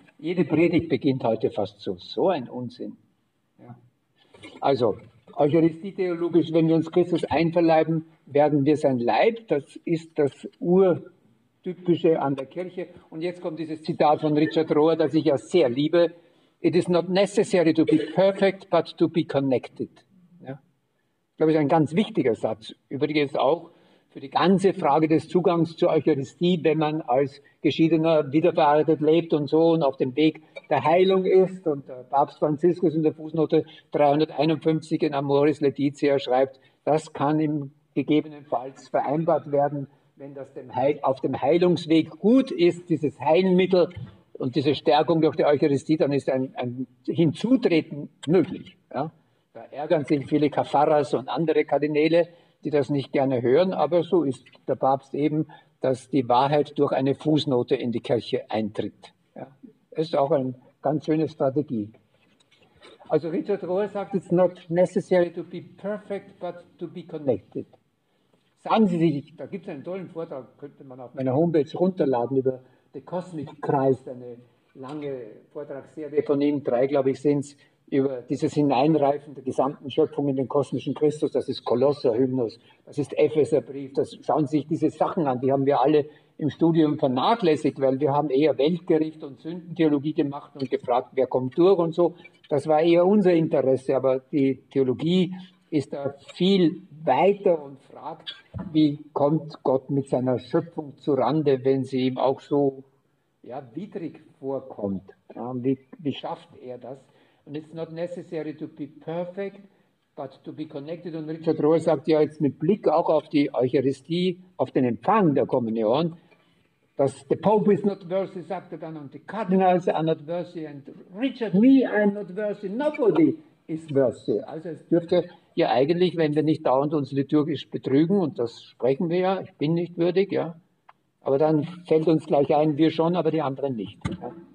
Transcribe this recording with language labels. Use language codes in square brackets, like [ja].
[de] Jede Predigt beginnt heute fast so. So ein Unsinn. Ja. Also, eucharistietheologisch, wenn wir uns Christus einverleiben, werden wir sein Leib. Das ist das Urtypische an der Kirche. Und jetzt kommt dieses Zitat von Richard Rohr, das ich ja sehr liebe. [en] It is not necessary to be perfect, but to be connected. [de] Ja. Ich glaube, das ist ein ganz wichtiger Satz. Übrigens auch für die ganze Frage des Zugangs zur Eucharistie, wenn man als Geschiedener wiederverheiratet lebt und so und auf dem Weg der Heilung ist. Und der Papst Franziskus in der Fußnote 351 in Amoris Laetitia schreibt, das kann im gegebenenfalls vereinbart werden, wenn das auf dem Heilungsweg gut ist, dieses Heilmittel und diese Stärkung durch die Eucharistie, dann ist ein Hinzutreten möglich. Ja? Da ärgern sich viele Kafaras und andere Kardinäle, die das nicht gerne hören, aber so ist der Papst eben, dass die Wahrheit durch eine Fußnote in die Kirche eintritt. Ja. Ist auch eine ganz schöne Strategie. Also Richard Rohr sagt, [en] it's not necessary to be perfect, but to be connected. [de] Sagen Sie sich, da gibt es einen tollen Vortrag, könnte man auf meiner Homepage runterladen über The Cosmic Christ, eine lange Vortragsserie von ihm, drei, glaube ich, sind es, über dieses Hineinreifen der gesamten Schöpfung in den kosmischen Christus, das ist Kolosser-Hymnus, das ist Epheser-Brief, das schauen Sie sich diese Sachen an, die haben wir alle im Studium vernachlässigt, weil wir haben eher Weltgericht und Sündentheologie gemacht und gefragt, wer kommt durch und so. Das war eher unser Interesse, aber die Theologie ist da viel weiter und fragt, wie kommt Gott mit seiner Schöpfung zurande, wenn sie ihm auch so ja, widrig vorkommt. Ja, wie schafft er das? [en] And it's not necessary to be perfect, but to be connected. [de] Und Richard Rohr sagt ja jetzt mit Blick auch auf die Eucharistie, auf den Empfang der Kommunion, dass [en] the Pope is not worthy, [de] sagt er dann, und [en] the Cardinals are not worthy, and Richard, me, I'm not worthy, nobody is worthy. [de] Also es dürfte ja eigentlich, wenn wir nicht dauernd uns liturgisch betrügen, und das sprechen wir ja, ich bin nicht würdig, ja, aber dann fällt uns gleich ein, wir schon, aber die anderen nicht. Ja.